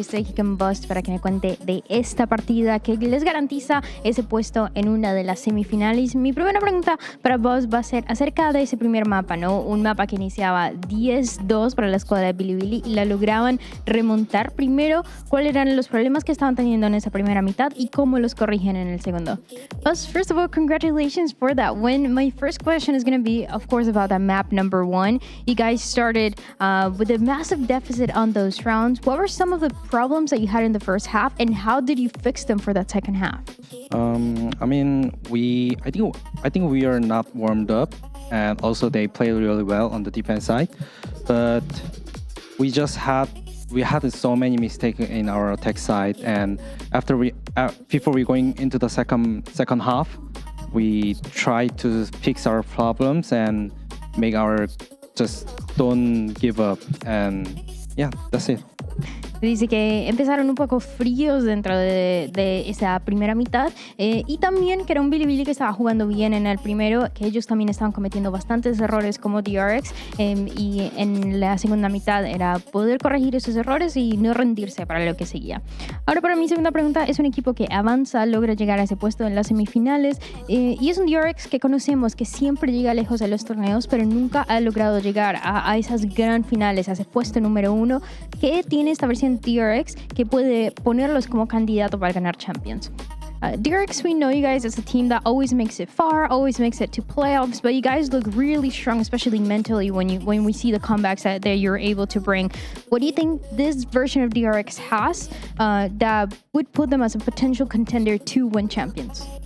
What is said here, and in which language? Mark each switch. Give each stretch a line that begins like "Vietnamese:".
Spanish: Yo soy Kick and Bust para que me cuente de esta partida que les garantiza ese puesto en una de las semifinales. Mi primera pregunta para vos va a ser acerca de ese primer mapa, ¿no? Un mapa que iniciaba 10-2 para la escuadra de Bilibili y la lograban remontar primero. ¿Cuáles eran los problemas que estaban teniendo en esa primera mitad y cómo los corrigen en el segundo?
English: Bust, first of all, congratulations for that win. My first question is going to be, of course, about that map number 1. You guys started with a massive deficit on those rounds. What were some of the problems that you had in the first half and how did you fix them for that second half? I think we are not warmed up, and also they play really well on the defense side, but we had so many mistakes in our attack side, and after we before we going into the second half, we try to fix our problems and make our just don't give up and yeah, that's it.
Spanish: Dice que empezaron un poco fríos dentro de esa primera mitad y también que era un Bilibili que estaba jugando bien en el primero, que ellos también estaban cometiendo bastantes errores como DRX y en la segunda mitad era poder corregir esos errores y no rendirse para lo que seguía. Ahora para mi segunda pregunta, es un equipo que avanza, logra llegar a ese puesto en las semifinales y es un DRX que conocemos que siempre llega lejos de los torneos pero nunca ha logrado llegar a esas gran finales, a ese puesto número uno. ¿Qué tiene esta versión DRX que puede ponerlos como candidato para ganar Champions?
English: DRX, we know you guys as a team that always makes it far, always makes it to playoffs, but you guys look really strong, especially mentally when we see the comebacks that you're able to bring. What do you think this version of DRX has that would put them as a potential contender to win Champions?